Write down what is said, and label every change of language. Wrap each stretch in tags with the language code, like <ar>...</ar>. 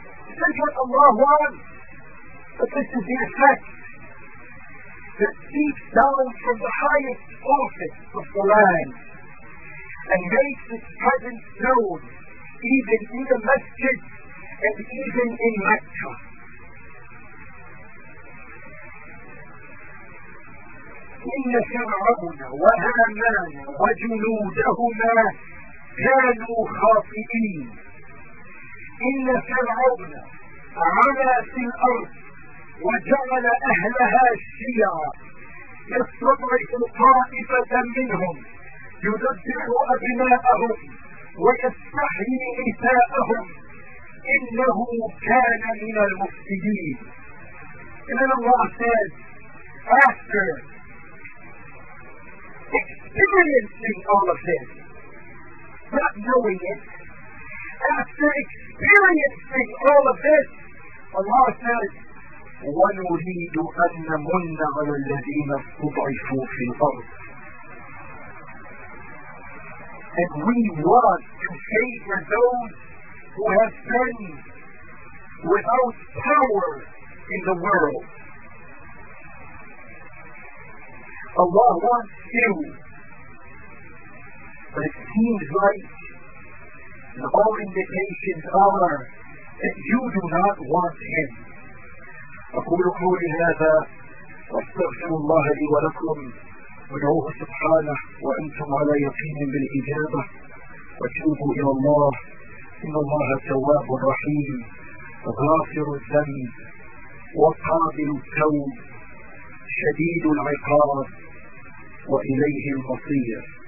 <en>This is what Allah wants, but this is the effect that seeps down from the highest office of the land and makes its presence known even in the masjid and even in Mecca.</en> <ar>إِنَّ فِرْعَوْنَ وَهَامَانَ وَجُنُودَهُمَا كَانُوا خَاطِئِينَ إِنَّ فِرْعَوْنَ عَلَا فِي الْأَرْضِ وجعل أهلها شيعا يستضعف طائفة منهم يذبح أبناءهم ويستحيي نساءهم إنه كان من المفسدين.</ar> <en>And then Allah says, after experiencing all of this, not knowing it, after experiencing all of this, Allah says,</en> <ar>ونريد أن نمن على الذين استضعفوا في الأرض.</ar> <en>And we want to favor those who have been without power in the world. Allah wants you, but it seems like all indications are that you do not want Him.</en> <ar>أقول قولي هذا وأستغفر الله لي ولكم وادعوه سبحانه وأنتم على يقين بالإجابة وتوبوا إلى الله إن الله تواب رحيم غافر الذنب وقابل التوب شديد العقاب وإليه المصير.</ar>